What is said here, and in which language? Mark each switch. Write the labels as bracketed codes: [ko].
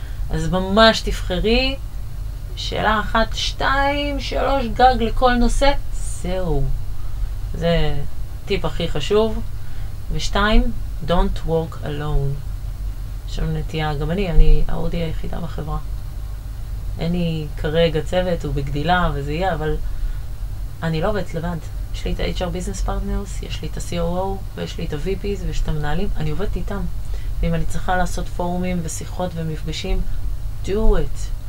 [he] אז ממש תבחרי שאלה אחת, שתיים, שלוש גג לכל נושא. זהו. זה טיפ הכי חשוב. [en] ושתיים, don't work alone. [he] יש לנו נטייה, גם אני האודי היחידה בחברה. אין לי כרגע צוות, הוא בגדילה וזה יהיה, אבל אני לא עובדת לבד. יש לי את ה-HR Business Partners, יש לי את ה-COO, ויש לי את ה-VPs, ויש את המנהלים, אני עובדת איתם. ואם אני צריכה לעשות פורומים ושיחות ומפגשים, [en] do it.